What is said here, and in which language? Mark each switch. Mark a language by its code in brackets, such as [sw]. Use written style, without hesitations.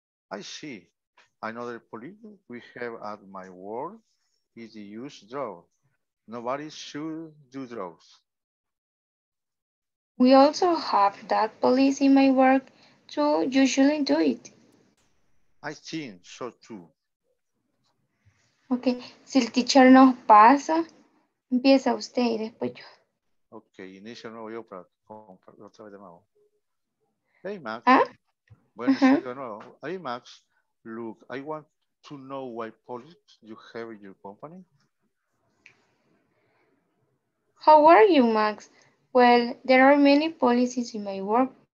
[en] I see. Another policy we have at my work is the use of drugs. Nobody should do drugs. We also have that policy in my work, so you shouldn't do it. I think so too. [es] Okay, si el teacher nos pasa, empieza usted y después yo. Okay, inicio nuevo yo para otra vez de nuevo. Hey, Max. ¿Ah? Bueno, sigo de nuevo. [en] Hey, Max, look, I want to know what policy you have in your company. How are you, Max? Well, there are many policies in my work.